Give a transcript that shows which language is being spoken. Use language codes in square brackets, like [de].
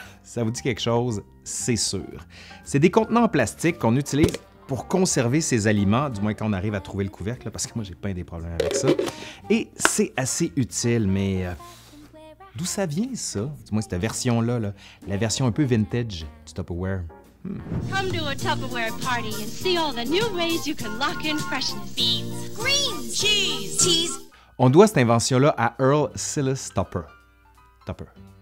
[fr] Ça vous dit quelque chose? C'est sûr. C'est des contenants en plastique qu'on utilise pour conserver ses aliments, du moins quand on arrive à trouver le couvercle, parce que moi, j'ai pas des problèmes avec ça. Et c'est assez utile, mais d'où ça vient, ça? Du moins, cette version-là, là, la version un peu vintage du Tupperware. [en] Come to a Tupperware party and see all the new ways you can lock in freshness. Beans, greens, cheese, cheese. [fr] On doit cette invention-là à Earl Silas Tupper. Tupperware!